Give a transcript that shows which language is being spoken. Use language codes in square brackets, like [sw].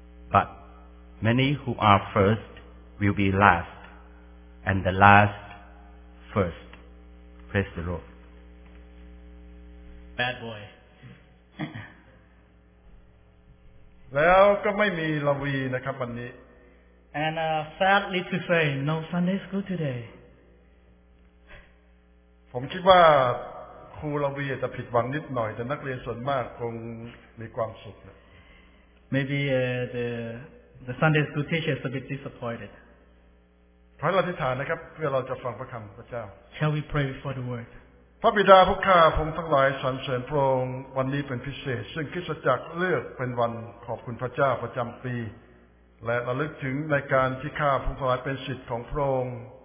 [en] But many who are first will be last, and the last first." Praise the Lord. Bad boy. [th] แล้วก็ไม่มีลาวีนะครับวันนี้ [en] And sadly to say, no Sunday school today. [th] ผมคิดว่าครูลาวีอาจจะผิดหวังนิดหน่อยแต่นักเรียนส่วนมากคงมีความสุข [en] Maybe the Sunday school teacher is a bit disappointed. [th] ขอให้เราอธิษฐานนะครับเพื่อเราจะฟังพระคำพระเจ้า [en] Shall we pray before the word? [th] พระบิดาผู้ข้าพงทั้งหลายสรรเสริญพระองค์วันนี้เป็นพิเศษซึ่งคริสตจักรเลือกเป็นวันขอบคุณพระเจ้าประจำปีและระลึกถึงในการที่ข้าพงทั้งหลายเป็นศิษย์ของพระองค์